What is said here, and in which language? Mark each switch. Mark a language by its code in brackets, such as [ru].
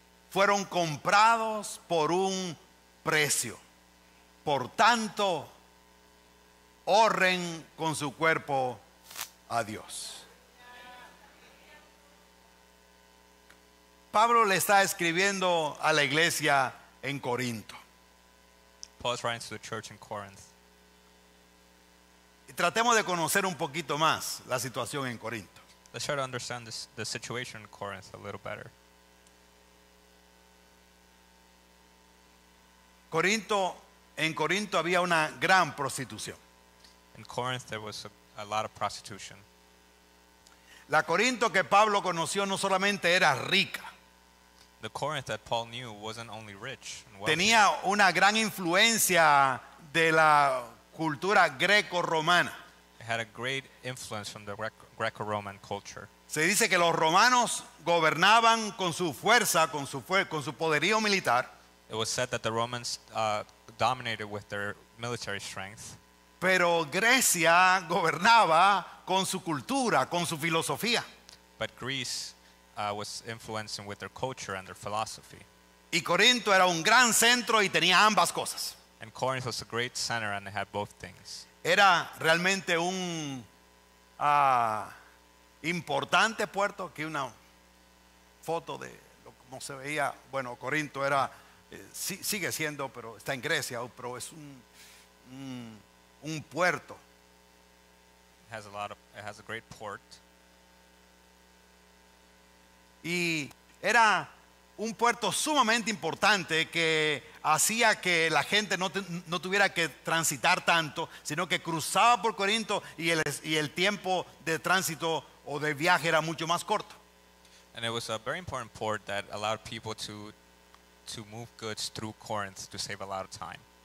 [es] Fueron comprados por un precio. Por tanto, honren con su cuerpo a Dios. Pablo le está escribiendo a la iglesia en Corinto. [en] Paul is writing to the church in Corinth. [es] Y tratemos de conocer un poquito más la situación en Corinto. [en] Let's try to understand the situation in Corinth a little better. [es] En Corinto había una gran prostitución. [en] In Corinth there was a lot of prostitution. [es] La Corinto que Pablo conoció no solamente era rica. [en] The Corinth that Paul knew wasn't only rich and wealthy. [es] Tenía una gran influencia de la cultura greco-romana. [en] It had a great influence from the Greco-Roman culture. [es] Se dice que los romanos gobernaban con su fuerza, con su poderío militar. [en] It was said that the Romans dominated with their military strength. [es] Pero Grecia gobernaba con su cultura, con su filosofía. [en] But Greece was influencing with their culture and their philosophy. [es] Y Corinto era un gran centro y tenía ambas cosas. [en] And Corinth was a great center and it had both things. [es] Era realmente un importante puerto. Aquí una foto de cómo se veía. Bueno, Corinto era... sigue siendo, pero está en Grecia, pero es un puerto. [en] It has a great port. [es] Y era un puerto sumamente importante que hacía que la gente no tuviera que transitar tanto, sino que cruzaba por Corinto y el tiempo de tránsito o de viaje era mucho más corto. [en] And it was a very important port that allowed people to move goods through Corinth to save a lot of time.